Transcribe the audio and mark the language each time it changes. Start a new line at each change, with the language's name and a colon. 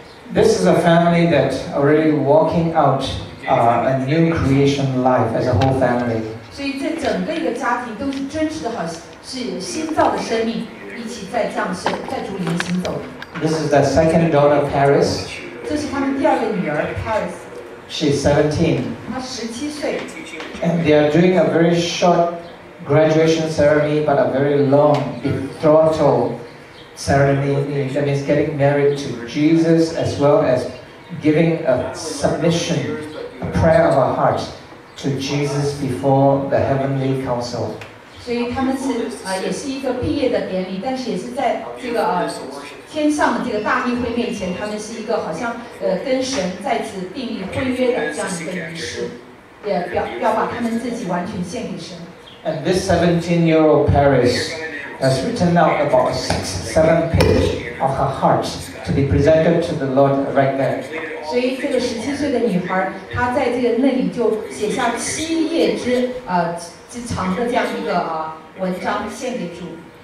English: This is a family that already walking out a new creation life as a whole family.
Chinese: 所以这整个一个家庭都是真实的，好是新造的生命，一起在降生，在主里面行走。
English: This is the second daughter, Paris.
Chinese: 这是他们第二个女儿 Paris.
English: She's 17.
Chinese: 她17岁。
English: And they are doing a very short graduation ceremony, but a very long betrothal ceremony. That means getting married to Jesus as well as giving a submission, a prayer of our heart to Jesus before the heavenly council.
Chinese: 所以他们是也是一个毕业的典礼，但是也是在这个天上的这个大议会面前，他们是一个好像跟神再次订立婚约的这样一个仪式。
English: And this 17-year-old Paris has written out about 6-7 pages of her heart to be presented to the Lord right there.
Chinese: 所以这个十七岁的女孩，她在这个那里就写下七页之之长的这样一个文章献给主。